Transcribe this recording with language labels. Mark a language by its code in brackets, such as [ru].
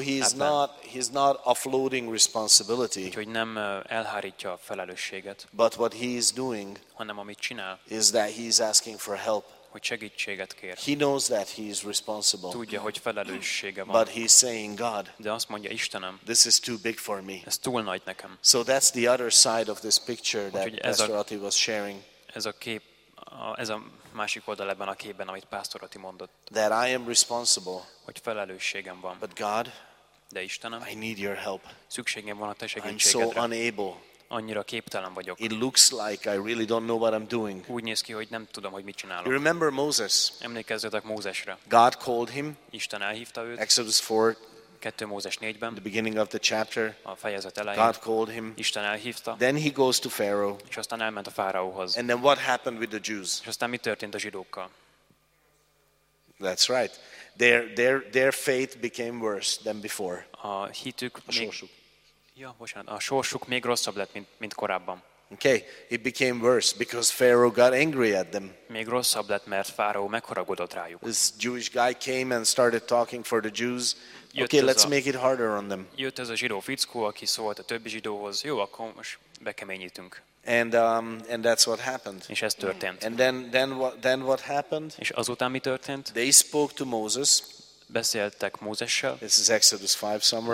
[en] So he's not offloading responsibility. [hu] Úgyhogy nem elhárítja a felelősséget. [en] But what he is doing, [hu] hanem amit csinál, [en] is that he's asking for help. [hu] Hogy segítséget kér. [en] He knows that he is responsible. [hu] Tudja, hogy felelőssége van. [en] But he's saying, God, [hu] de azt mondja, Istenem, [en] this is too big for me. [hu] Ez túl nagy nekem. [en] So that's the other side of this picture that Pastor Ati was sharing. [hu] Ez a másik oldal ebben a képben, amit Pastor Ati mondott. [en] That I am responsible. [hu] Hogy felelősségem van. [en] But God, [hu] de Istenem, [en] I need your help. [hu] Szükségem van a te segítségedre. [en] I'm so unable. [hu] Annyira képtelen vagyok. [en] It looks like I really don't know what I'm doing. [hu] Úgy néz ki, hogy nem tudom, hogy mit csinálok. [en] You remember Moses? [hu] Emlékezzetek Mózesre. [en] God called him. [hu] Isten elhívta őt. [en] Exodus 4. [hu] 2 Mózes 4-ben. [en] The beginning of the chapter. [hu] A fejezet elején. [en] God called him. [hu] Isten elhívta. [en] Then he goes to Pharaoh. [hu] És aztán elment a fáraóhoz. [en] And then what happened with the Jews? [hu] És aztán mi történt a zsidókkal? [en] That's right. Their faith became worse than before. [hu] A hitük még. Ja, bocsánat, a sorsuk még rosszabb lett, mint korábban. [en] Okay, it became worse because Pharaoh got angry at them. [hu] Még rosszabb lett, mert Fáraó megharagodott rájuk. [en] This Jewish guy came and started talking for the Jews. Okay, let's make it harder on them. [hu] Jött ez a zsidó fickó, aki szólt a többi zsidóhoz. Jó, akkor most bekeményítünk. [en] And that's what happened. [hu] És ez történt. [en] And then what happened? [hu] És azután mi történt? [en] They spoke to Moses. [hu] Beszéltek Mózessel. [en] This is Exodus 5 somewhere.